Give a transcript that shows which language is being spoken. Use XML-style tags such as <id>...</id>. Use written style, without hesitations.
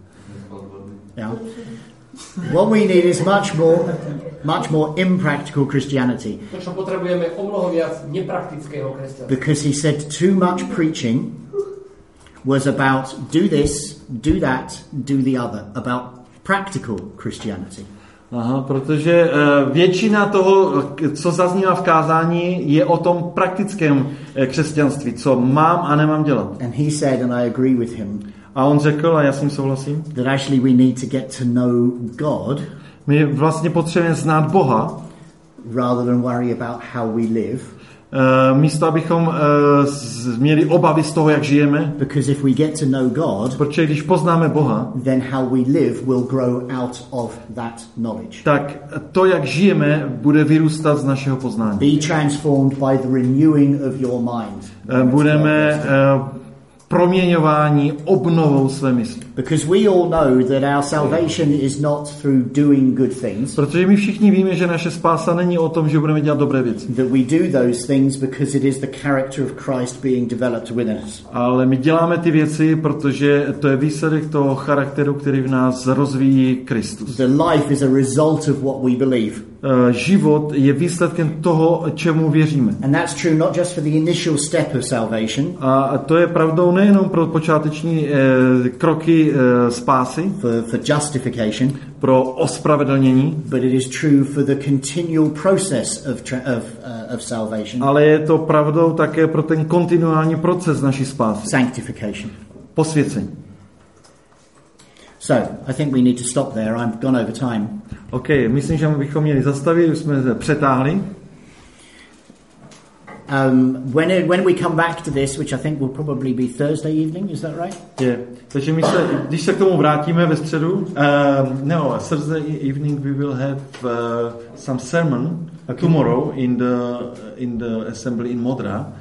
<en>What we need is much more impractical Christianity.</en> <sk>To, čo potrebujeme, o mnoho viac nepraktického kresťanstva.</sk> <en>Because he said too much preaching was about do this, do that, do the other, about practical Christianity.</en> <cs>Aha, protože většina toho, co zaznívá v kázání, je o tom praktickém křesťanství, co mám a nemám dělat.</cs> <en>And he said, and I agree with him,</en> <cs>a on řekl, a já s ním souhlasím,</cs> <en>that actually we need to get to know God,</en> <cs>my vlastně potřebujeme znát Boha,</cs> <en>rather than worry about how we live,</en> <cs>místo abychom měli obavy z toho, jak žijeme.</cs> <en>Because if we get to know God,</en> <cs>protože když poznáme Boha,</cs> <en>then how we live will grow out of that knowledge.</en> <cs>Tak to, jak žijeme, bude vyrůstat z našeho poznání.</cs> <en>Be transformed by the renewing of your mind.</en> <cs>Budeme proměňování obnovou své mysli.</cs> <en>Because we all know that our salvation is not through doing good things.</en> <cs>Protože my všichni víme, že naše spása není o tom, že budeme dělat dobré věci.</cs> <en>That we do those things because it is the character of Christ being developed within us.</en> <cs>Ale my děláme ty věci, protože to je výsledek toho charakteru, který v nás rozvíjí Kristus.</cs> <en>The life is a result of what we believe.</en> <cs>Život je výsledkem toho, čemu věříme.</cs> <en>And that's true not just for the initial step of salvation.</en> <cs>A to je pravdou nejenom pro počáteční kroky spásy,</cs> <en>for justification,</en> <cs>pro ospravedlnění,</cs> <en>but it is true for the continual process of salvation.</en> <cs>Ale je to pravdou také pro ten kontinuální proces naší spásy.</cs> <en>Sanctification.</en> <cs>Posvěcení.</cs> <en>So, I think we need to stop there. I've gone over time.</en> <cs>Okay, myslím, že bychom měli zastavit, už jsme přetáhli.</cs> <en>When we come back to this, which I think will probably be Thursday evening, is that right? Yeah.</en> <cs>Takže my se, když se k tomu vrátíme ve středu,</cs> <en>Thursday evening we will have some sermon, okay, tomorrow in the assembly in Modra.</en>